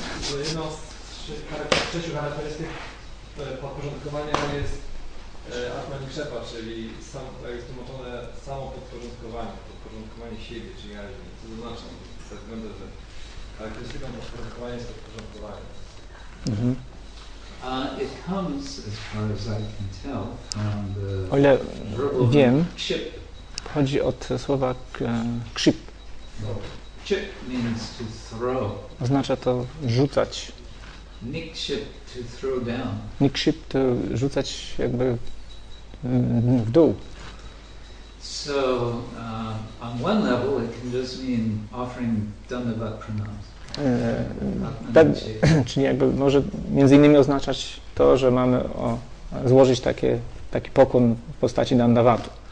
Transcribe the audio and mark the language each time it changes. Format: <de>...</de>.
<pl>To jedno z trzech charakterystyk podporządkowania jest atmanikshepa, czyli jest tłumaczone samo podporządkowanie siebie, czy jaźni. Co to znaczy? Ze względu, że charakterystyką podporządkowania jest podporządkowanie.</pl> <en>It comes, as far as I can tell, from the</en> <pl>o ile wiem,</pl> <en>chip.</en> <pl>Chodzi od słowa krzyp.</pl> <en>Chip means to throw.</en> <pl>Oznacza to rzucać.</pl> <en>Nikship to throw down.</en> <pl>Nikship to rzucać jakby w dół.</pl> <en>So on one level it can just mean offering dandavat pranams.</en> <pl>Czyli jakby może między innymi oznaczać to, że mamy złożyć taki pokłon w postaci dandavatu.</pl>